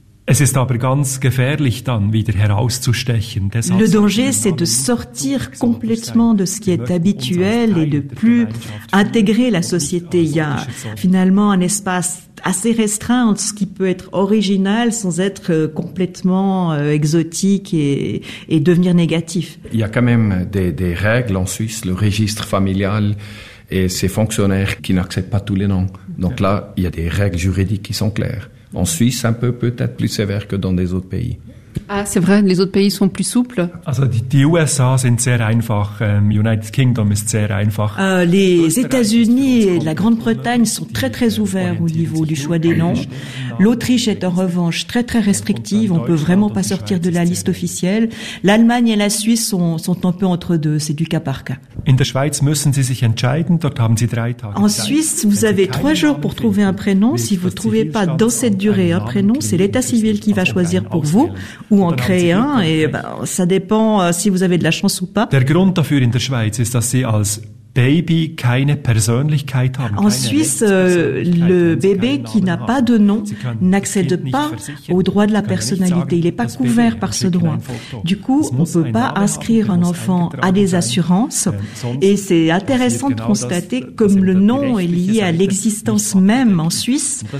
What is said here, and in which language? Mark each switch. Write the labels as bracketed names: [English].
[German] Es ist aber ganz gefährlich, dann wieder herauszustechen. [French] Le danger, c'est de sortir complètement de ce qui est habituel et de plus intégrer la société. Il y a finalement un espace assez restreint entre ce qui peut être original sans être complètement exotique et devenir négatif. Il y a quand même des règles en Suisse, le registre familial et ses fonctionnaires qui n'acceptent pas tous les noms. Donc là, il y a des règles juridiques qui sont claires. En Suisse, un peu peut-être plus sévère que dans des autres pays. Ah, c'est vrai, les autres pays sont plus souples. [German] Also, die USA sind sehr einfach. United Kingdom ist sehr einfach. [French] Les États-Unis et la Grande-Bretagne sont très très ouverts au niveau du choix des noms. L'Autriche est en revanche très très restrictive. On peut vraiment pas sortir de la liste officielle. L'Allemagne et la Suisse sont un peu entre deux. C'est du cas par cas. [German] In der Schweiz müssen Sie sich entscheiden. Dort haben Sie drei Tage. [French] En Suisse, vous avez trois jours pour trouver un prénom. Si vous trouvez pas dans cette durée un prénom, c'est l'État civil qui va choisir pour vous. Ou en créer un, et ça dépend si vous avez de la chance ou pas. [German] Der Grund dafür in der Schweiz ist, dass sie als Baby keine Persönlichkeit haben. [French] En Suisse, le bébé qui n'a pas de nom n'accède pas au droit de la personnalité. Il n'est pas couvert par ce droit. Du coup, on ne peut pas inscrire un enfant à des assurances. Et c'est intéressant de constater comme le nom est lié à l'existence même en Suisse.